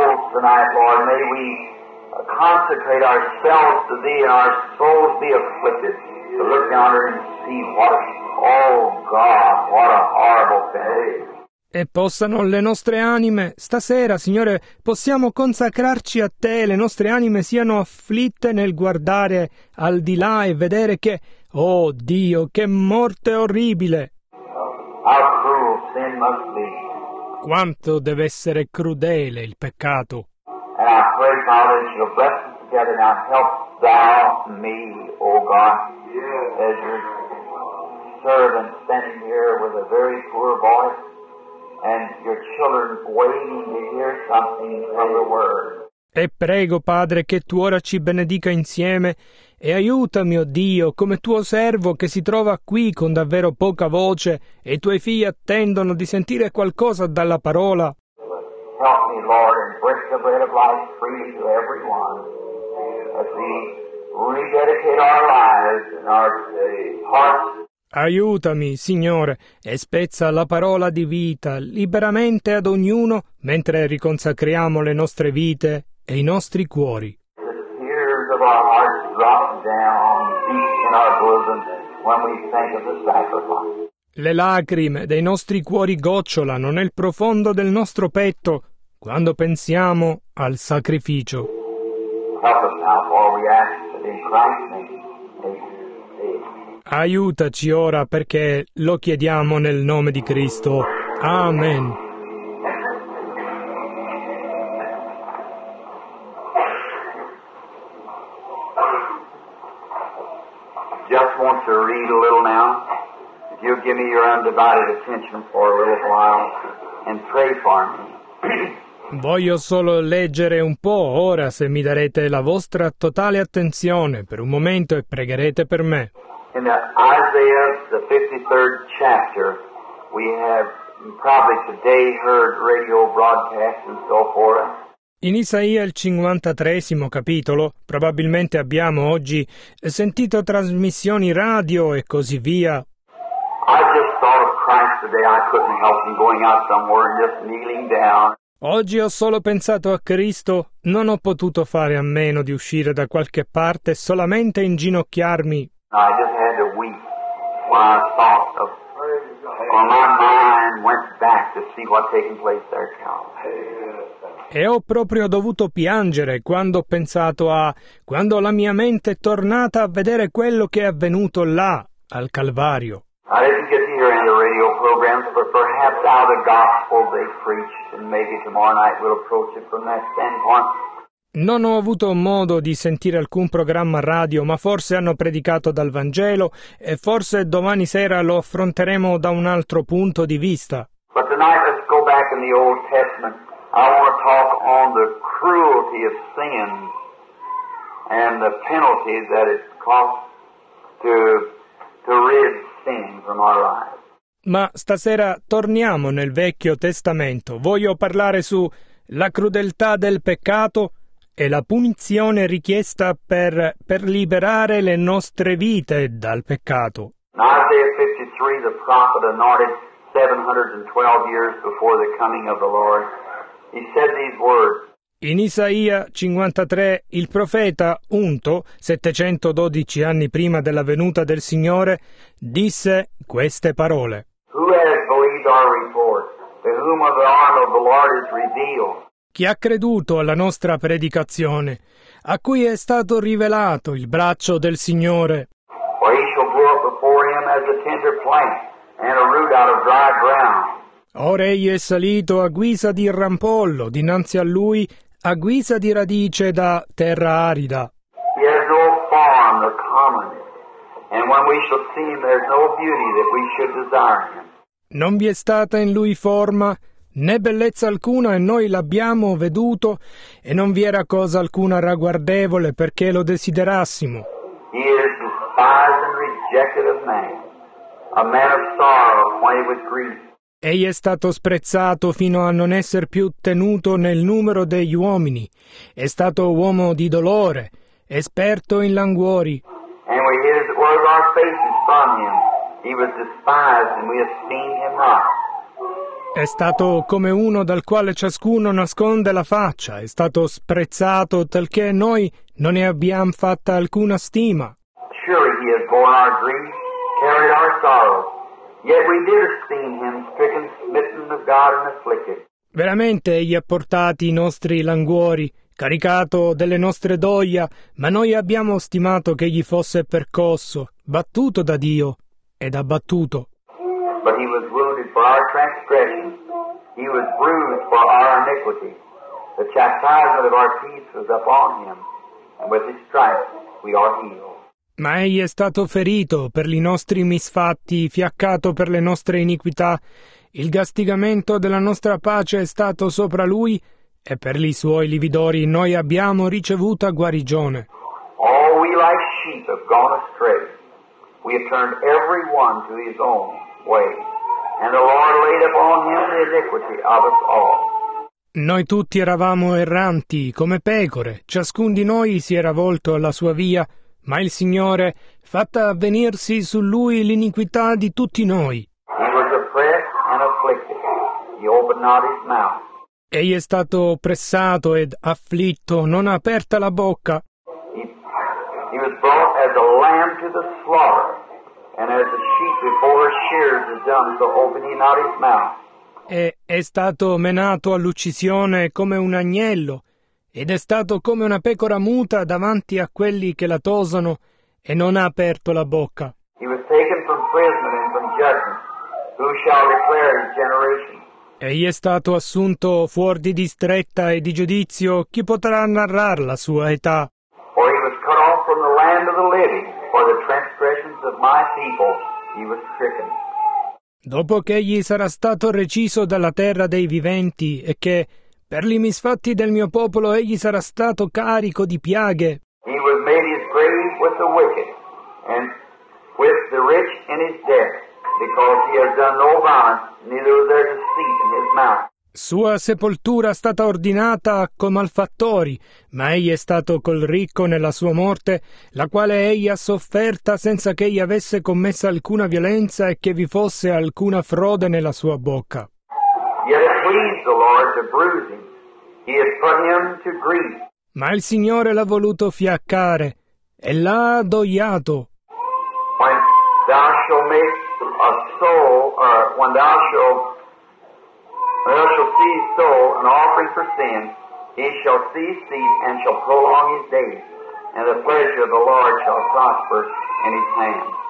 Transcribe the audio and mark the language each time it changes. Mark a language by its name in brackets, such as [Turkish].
[English] Tonight, Lord, may we consecrate ourselves to Thee and our souls be afflicted to look down there and see what, oh God, what a horrible thing. [Italian] E possano le nostre anime, stasera, Signore, possiamo consacrarci a Te, le nostre anime siano afflitte nel guardare al di là e vedere che, oh Dio, che morte orribile! [English] How cruel sin must be. [Italian] Quanto deve essere crudele il peccato. [English] And I pray, Father, that you'll bless us together now. Help thou me, O God, as your servant standing here with a very poor voice and your children waiting to hear something from the Word. [Italian] E prego, Padre, che Tu ora ci benedica insieme e aiutami, oh Dio, come Tuo servo che si trova qui con davvero poca voce e i Tuoi figli attendono di sentire qualcosa dalla parola. [English] Help me, Lord, and bring the bread of life freely to everyone as we rededicate our lives and our hearts. [Italian] Aiutami, Signore, e spezza la parola di vita liberamente ad ognuno mentre riconsacriamo le nostre vite e i nostri cuori. [English] The tears of our hearts drop down deep in our bosom when we think of the sacrifice. [Italian] Le lacrime dei nostri cuori gocciolano nel profondo del nostro petto quando pensiamo al sacrificio. [English] Help us now, Lord, we ask in Christ's name. [Italian] Aiutaci ora perché lo chiediamo nel nome di Cristo. [English] Amen. Just want to read a little now. If you'll give me your undivided attention for a little while and pray for me. [Italian] Voglio solo leggere un po' ora se mi darete la vostra totale attenzione per un momento e pregherete per me. [English] In Isaiah, the 53rd chapter, we have probably today heard radio broadcasts and so forth. [Italian] In Isaia, il 53° capitolo, probabilmente abbiamo oggi sentito trasmissioni radio e così via. [English] I just thought of Christ today. I couldn't help from going out somewhere and just kneeling down. [Italian] Oggi ho solo pensato a Cristo, non ho potuto fare a meno di uscire da qualche parte solamente inginocchiarmi. [English] I just had to weep when I thought of, when my mind went back to see what's taking place there, Calvary. [Italian] E ho proprio dovuto piangere quando ho pensato a, quando la mia mente è tornata a vedere quello che è avvenuto là, al Calvario. [English] I didn't get to hear any of the radio programs, but perhaps out of the gospel they preached, and maybe tomorrow night we'll approach it from that standpoint. [Italian] Non ho avuto modo di sentire alcun programma radio, ma forse hanno predicato dal Vangelo e forse domani sera lo affronteremo da un altro punto di vista. [English] But tonight let's go back in the Old Testament. I want to talk on the cruelty of sin and the penalty that it costs to rid sin from our lives. [Italian] Ma stasera torniamo nel Vecchio Testamento. Voglio parlare su la crudeltà del peccato e la punizione richiesta per liberare le nostre vite dal peccato. [English] Isaiah 53, the prophet anointed 712 years before the coming of the Lord. He said these words. [Italian] In Isaia 53, il profeta unto, 712 anni prima della venuta del Signore, disse queste parole. [English] Who has believed our report? To whom the arm of the Lord is revealed? [Italian] Chi ha creduto alla nostra predicazione, a cui è stato rivelato il braccio del Signore. [English] For he shall grow up before him as a tender plant, and a root out of dry ground. [Italian] Ora egli è salito a guisa di rampollo, dinanzi a lui, a guisa di radice da terra arida. [English] He has no form, the common, and when we shall see him, there's no beauty that we should desire him. [Italian] Non vi è stata in lui forma, né bellezza alcuna, e noi l'abbiamo veduto, e non vi era cosa alcuna ragguardevole perché lo desiderassimo. [English] He is despised and rejected of man, a man of sorrow, acquainted with grief. [Italian] Egli è stato sprezzato fino a non esser più tenuto nel numero degli uomini. È stato uomo di dolore, esperto in languori. [English] And we hid all our faces from him. He was despised and we esteemed him not. [Italian] È stato come uno dal quale ciascuno nasconde la faccia, è stato sprezzato talché noi non ne abbiamo fatta alcuna stima. [English] Surely he has borne our grief, carried our sorrow. Yet we did esteem him stricken, smitten of God and afflicted. [Italian] Veramente egli ha portati i nostri languori, caricato delle nostre doglia, ma noi abbiamo stimato che egli fosse percosso, battuto da Dio ed abbattuto. [English] But he was wounded for our transgressions. He was bruised for our iniquity. The chastisement of our peace was upon him, and with his stripes we are healed. [Italian] Ma egli è stato ferito per i nostri misfatti, fiaccato per le nostre iniquità. Il castigamento della nostra pace è stato sopra lui, e per i suoi lividori noi abbiamo ricevuta guarigione. [English] All we like sheep have gone astray. We have turned every one to his own way. And the Lord laid upon him the iniquity of us all. [Italian] Noi tutti eravamo erranti, come pecore. Ciascun di noi si era volto alla sua via. Ma il Signore, fatta avvenirsi su Lui l'iniquità di tutti noi. [English] He was oppressed and afflicted. He opened not his mouth. [Italian] Egli è stato oppressato ed afflitto, non ha aperta la bocca. [English] He was brought as a lamb to the slaughter, and as a sheep before her shears is dumb, so opened he not his mouth. [Italian] E è stato menato all'uccisione come un agnello. Ed è stato come una pecora muta davanti a quelli che la tosano e non ha aperto la bocca. [English] He was taken from prison and from judgment. Who shall declare his generation? [Italian] Egli è stato assunto fuori di stretta e di giudizio. Chi potrà narrare la sua età? [English] For he was cut off from the land of the living. For the transgressions of my people he was stricken. [Italian] Dopo che egli sarà stato reciso dalla terra dei viventi e che per gli misfatti del mio popolo egli sarà stato carico di piaghe. [English] He was made his grave with the wicked, and with the rich in his death, because he has done no violence, neither was there deceit in his mouth. [Italian] Sua sepoltura è stata ordinata con malfattori, ma egli è stato col ricco nella sua morte, la quale egli ha sofferta senza che egli avesse commessa alcuna violenza e che vi fosse alcuna frode nella sua bocca. [English] Yet it pleased the Lord to bruise him. He has put him to grief. [Italian] Ma il Signore l'ha voluto fiaccare e l'ha addoiato. [English] When thou shalt make a soul, or when thou shalt see his soul an offering for sin, he shall see his seed and shall prolong his days, and the pleasure of the Lord shall prosper in his hand.